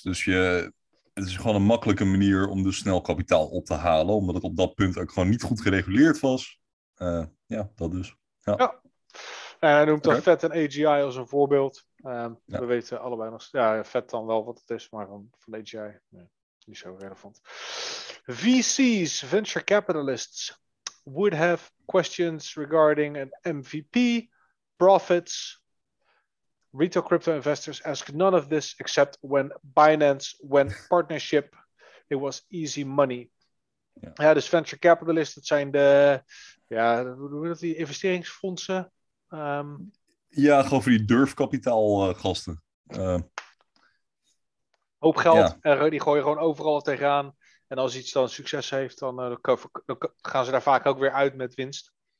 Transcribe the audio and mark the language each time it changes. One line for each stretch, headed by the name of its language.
Dutch: Dus het is gewoon een makkelijke manier om dus snel kapitaal op te halen, omdat het op dat punt ook gewoon niet goed gereguleerd was. Ja, dat dus. Ja. Ja. En hij noemt dan FET en AGI als een voorbeeld. We weten allebei nog, ja, FET dan wel wat het is, maar van AGI, nee, niet zo relevant.
English: VCs, venture capitalists, would have questions regarding an MVP, profits. Retail crypto investors asked none of this except when Binance went partnership. It was easy money.
Dutch: Ja, dus venture capitalists, dat zijn de, ja, hoe noemen dat, die investeringsfondsen. Ja, gewoon voor die durfkapitaal gasten. Hoop geld, ja. En die gooien gewoon overal tegenaan. En als iets dan succes heeft, dan gaan ze daar vaak ook weer uit met winst.